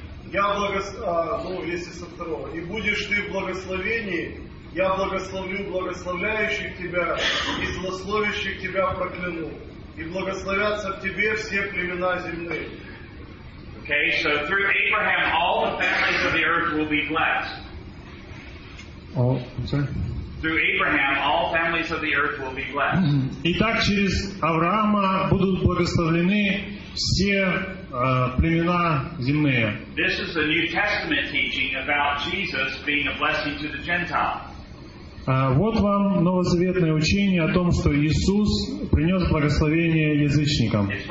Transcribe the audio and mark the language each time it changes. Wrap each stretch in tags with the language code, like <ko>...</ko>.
<ru>И будешь ты в благословении. Я благословлю благословляющих тебя и злословящих тебя прокляну. И благословятся в тебе все племена земные.</ru> <en>Okay, so through Abraham all the families of the earth will be blessed. Oh, sorry. Through Abraham all families of the earth will be blessed.</en> <ru>Итак, через Авраама будут благословлены все племена земные.</ru> <en>This is the New Testament teaching about Jesus being a blessing to the Gentiles.</en> <ru>Вот вам новозаветное учение о том, что Иисус принес благословение язычникам.</ru>